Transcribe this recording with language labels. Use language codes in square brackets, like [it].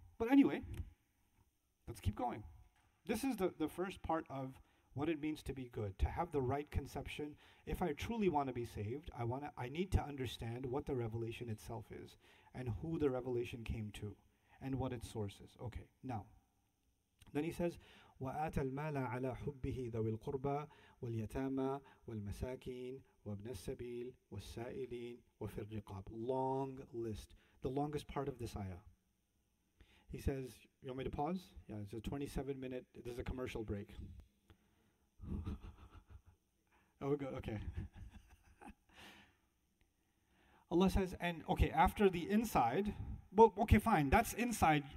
[en] But anyway, let's keep going. This is the first part of what it means to be good, to have the right conception. If I truly want to be saved, I need to understand what the revelation itself is and who the revelation came to and what its source is. Okay, now, then he says, [ar] وآت المال على حبه ذوي القربى واليتامى والمساكين وابن السبيل والسائلين وفي الرقاب. [en] Long list. The longest part of this ayah. He says, you want me to pause? Yeah, it's a 27 minute, this is a commercial break. Oh, good, okay. Allah says, and okay, after the inside, well, okay, fine, that's inside.